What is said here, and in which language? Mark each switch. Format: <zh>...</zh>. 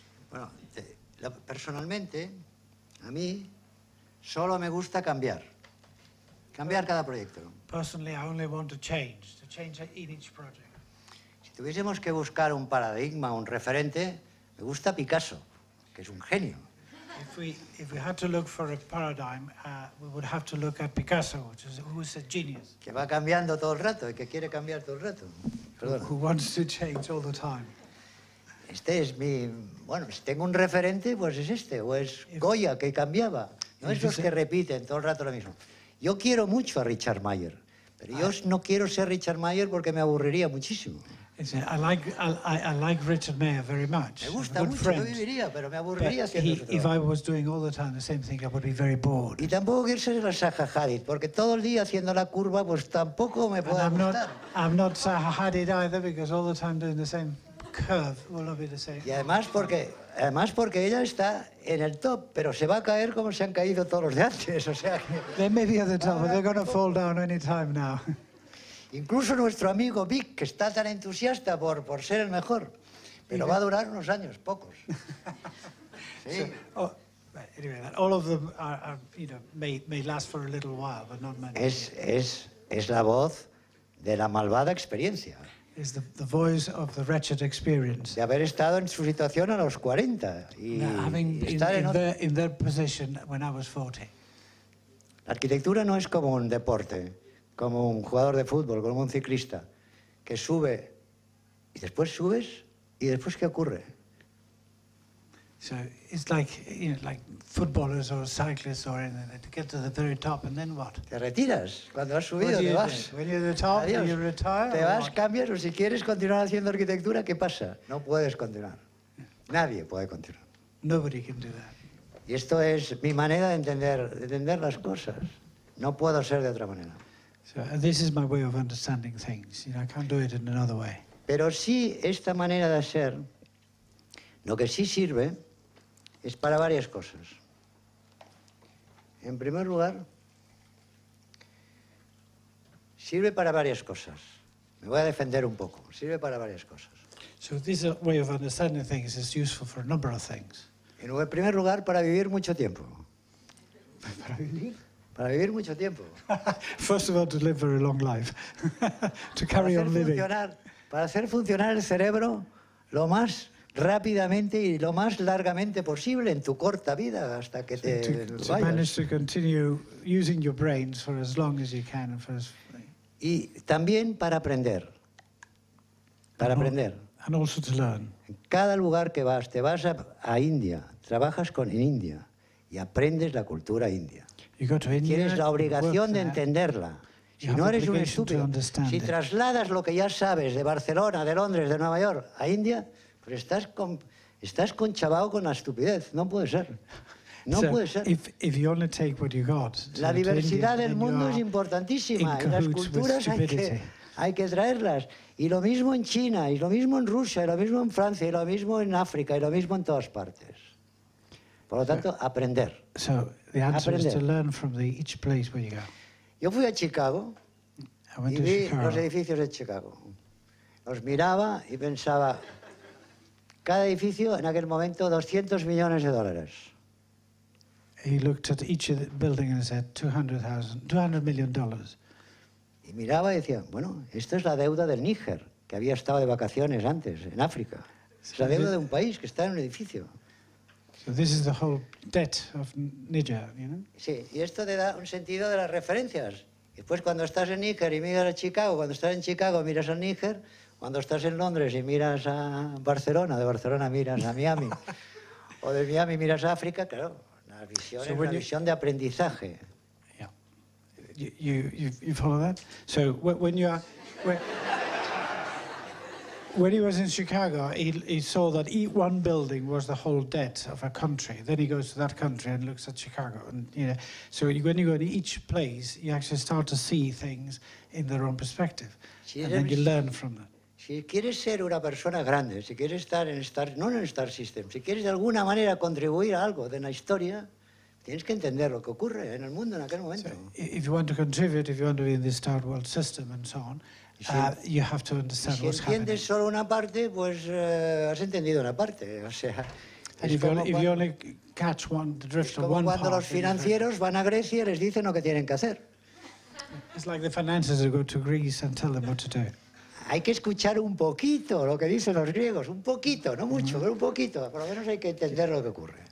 <es>Bueno, personalmente, a mí solo me gusta cambiar cada proyecto.</es> <en>Personally, I only want to change in each project.</en> <es>Si tuviésemos que buscar un paradigma, un referente, me gusta Picasso, que es un genio.</es> <en>If we had to look for a paradigm, we would have to look at Picasso, who is a genius.</en> <es>Que va cambiando todo el rato y que quiere cambiar todo el rato.</es> <en>Who wants to change all the time.</en> <es>Este es mi, bueno, si tengo un referente, pues es este, o es Goya, que cambiaba. No es los que repiten todo el rato lo mismo. Yo quiero mucho a Richard Mayer, pero yo no quiero ser Richard Mayer porque me aburriría muchísimo.</es> <en>I like Richard Mayer very much.</en> <es>Me gusta mucho,</es> <en>friend.</en> <es>No viviría, pero me aburriría</es> <en>but</en> <es>haciendo</es> <en>he, if I was doing all the time the same thing, I would be very bored.</en> <es>Y tampoco quiero ser la Zaha Hadid, porque todo el día haciendo la curva, pues tampoco me puedo gustar.</es> <en>I'm not Zaha Hadid either, because all the time doing the same curve will not be the same.</en> <es>Y además porque ella está en el top, pero se va a caer como se han caído todos los de antes, o sea que...</es> <en>They may be at the top, but they're going to fall down any time now.</en> <es>Incluso nuestro amigo Vic, que está tan entusiasta por ser el mejor, pero va a durar unos años, pocos. Sí.</es> <en>So, anyway, all of them may last for a little while, but not many.</en> <es>Es la voz de la malvada experiencia.</es> <en>Is the voice of the wretched experience.</en> <es>De haber estado en su situación a los 40 y estar</es> <en>in their position when I was 40.</en> <es>La arquitectura no es como un deporte. Como un jugador de fútbol, como un ciclista, que sube y después subes y después qué ocurre?</es> <en>So it's like, you know, like footballers or cyclists or anything. To get to the very top and then what?</en> <es>Te retiras cuando has subido, te vas.</es> <en>When you're at the top, you retire.</en> <es>Te vas, cambias, o si quieres continuar haciendo arquitectura, ¿qué pasa? No puedes continuar. Nadie puede continuar.</es> <en>Nobody can do that.</en> <es>Y esto es mi manera de entender las cosas. No puedo ser de otra manera.</es> <en>So this is my way of understanding things. You know, I can't do it in another way.</en> <es>Pero sí, esta manera de hacer, lo que sí sirve es para varias cosas. En primer lugar, sirve para varias cosas. Me voy a defender un poco. Sirve para varias cosas.</es> <en>So this way of understanding things is useful for a number of things.</en> <es>En primer lugar, para vivir mucho tiempo. ¿Para vivir? Para vivir mucho tiempo.</es> <en>First of all, to live very long life. To carry on living.</en> <es>Para hacer funcionar el cerebro lo más rápidamente y lo más largamente posible en tu corta vida hasta que te vayas.</es> <en>To manage to continue using your brains for as long as you can.</en> <es>Y también para aprender. Para aprender.</es> <en>And also to learn.</en> <es>En cada lugar que vas, te vas a India, trabajas con en India y aprendes la cultura india.</es> <en>You go to India,</en> <es>tienes la obligación de entenderla. Si no eres un estúpido, si trasladas lo que ya sabes de Barcelona, de Londres, de Nueva York a India, pues estás conchabado con la estupidez. No puede ser. No puede ser.</es> <en>If you only take what you got,</en> <es>la diversidad del mundo es importantísima. Y las culturas hay que traerlas. Y lo mismo en China, y lo mismo en Rusia, y lo mismo en Francia, y lo mismo en África, y lo mismo en todas partes. Por lo tanto, aprender.</es> <en>So, the answer is to learn from each place where you go.</en> <es>Yo fui a Chicago y vi los edificios de Chicago. Los miraba y pensaba, cada edificio en aquel momento,</es> <en>$200 million. He looked at each of the building and said, $200 million.</en> <es>Y miraba y decía, bueno, esto es la deuda del Níger, que había estado de vacaciones antes, en África. Es la deuda de un país que está en un edificio.</es> <en>So this is the whole debt of Niger, you know?</en> <es>Sí, y esto te da un sentido de las referencias. Después, cuando estás en Níger y miras a Chicago, cuando estás en Chicago miras a Níger, cuando estás en Londres y miras a Barcelona, de Barcelona miras a Miami, o de Miami miras a África, claro, la visión so es la visión de aprendizaje.</es> <en>Yeah. You follow that? So when you are... When he was in Chicago, he saw that one building was the whole debt of a country. Then he goes to that country and looks at Chicago. And, you know, so when you go to each place, you actually start to see things in their own perspective. And then you learn from that.</en> <es>Si quieres ser una persona grande, si quieres estar en Star, no en el Star System, si quieres de alguna manera contribuir a algo de la historia, tienes que entender lo que ocurre en el mundo en aquel momento.</es> <en>So if you want to contribute, if you want to be in the Star World System and so on, you have to understand what's happening.</en> <es>Si entiendes solo una parte, pues has entendido una parte. O sea,</es> <en>if you only catch one, the drift of one part.</en> <es>Es como cuando los financieros van a Grecia y les dicen lo que tienen que hacer.</es> <en>It's like the financiers go to Greece and tell them what to do.</en> <es>Hay que escuchar un poquito lo que dicen los griegos, un poquito, no mucho, pero un poquito. Por lo menos hay que entender lo que ocurre.</es>